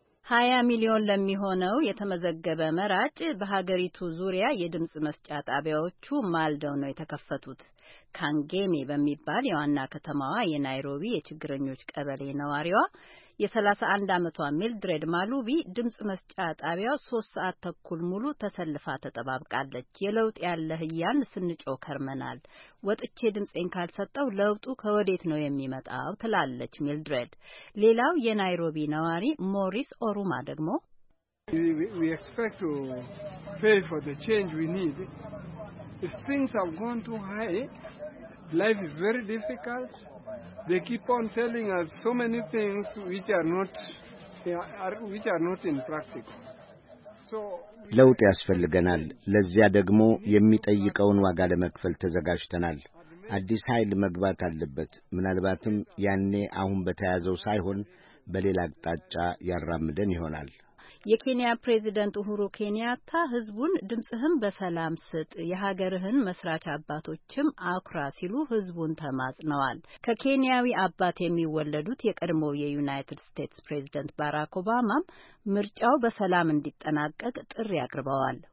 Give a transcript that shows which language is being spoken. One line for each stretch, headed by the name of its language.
Amharic: 20 ሚሊዮን ለሚሆነው የተመዘገበ መራጭ በሀገሪቱ ዙሪያ የድምጽ መስጫ ጣቢያዎቹ ማልደው ነው የተከፈቱት። ካንጌሜ በሚባል የዋና ከተማዋ የናይሮቢ የችግረኞች ቀበሌ ነዋሪዋ የ31 ዓመቷ ሚልድሬድ ማሉቢ ድምጽ መስጫ ጣቢያው 3 ሰዓት ተኩል ሙሉ ተሰልፋ ተጠባብቃለች። የለውጥ ያለህ እያልን ስንጮህ ከርመናል። ወጥቼ ድምጼን ካልሰጠው ለውጡ ከወዴት ነው የሚመጣው? ትላለች ሚልድሬድ። ሌላው የናይሮቢ ነዋሪ ሞሪስ ኦሩማ ደግሞ
English: We expect to pay for the change we need. If things have gone too high, life is very difficult. They keep on telling us so many things which are not in practice.
Amharic: So ለውጥ ያስፈልገናል። ለዚያ ደግሞ የሚጠይቀውን ዋጋ ለመክፈል ተዘጋጅተናል። አዲስ ኃይል መግባት አለበት። ምናልባትም ያኔ አሁን በተያዘው ሳይሆን በሌላ አቅጣጫ ያራምደን ይሆናል። የኬንያ ፕሬዝደንት ኡሁሩ ኬንያታ ህዝቡን ድምጽህን በሰላም ስጥ፣ የሀገርህን መስራች አባቶችም አኩራ ሲሉ ህዝቡን ተማጽነዋል። ከኬንያዊ አባት የሚወለዱት የቀድሞው የዩናይትድ ስቴትስ ፕሬዝደንት ባራክ ኦባማም ምርጫው በሰላም እንዲጠናቀቅ ጥሪ አቅርበዋል።